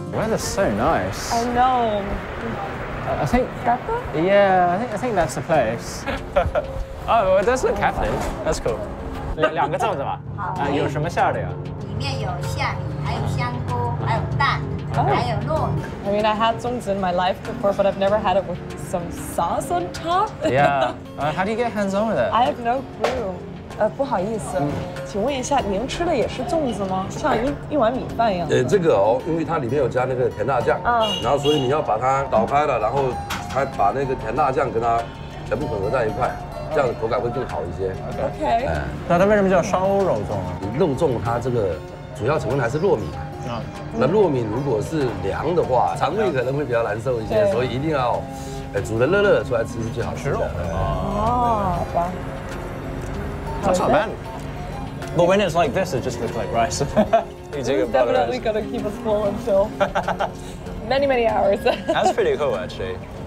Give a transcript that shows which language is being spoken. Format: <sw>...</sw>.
<en>That's so nice. I know. I think that's the place. Oh, well, that's the cafe. That's cool. 两个粽子吧。</en> <zh>好。有什么馅的呀？里面有馅饼，还有香菇，还有蛋， oh. 还有糯米。</zh> <en>I mean, I had 粽子in my life before, but I've never had it with some sauce on top. Yeah. How do you get hands on with it? I have no clue.</en> <zh>不好意思，请问一下，您吃的也是粽子吗？像一碗米饭一样的。这个哦，因为它里面有加那个甜辣酱，然后所以你要把它倒开了，然后它把那个甜辣酱跟它全部混合在一块，这样子口感会更好一些。</zh> <en>OK。</en> <zh>那它为什么叫烧肉粽啊？肉粽它这个主要成分还是糯米。那糯米如果是凉的话，肠胃可能会比较难受一些，所以一定要，煮的热热的出来吃是最好吃肉。哦，好吧。</zh> <en>That's not bad. But when it's like this, it just looks like rice. You take it's definitely going to keep us full until many, many hours. That's pretty cool, actually.</en>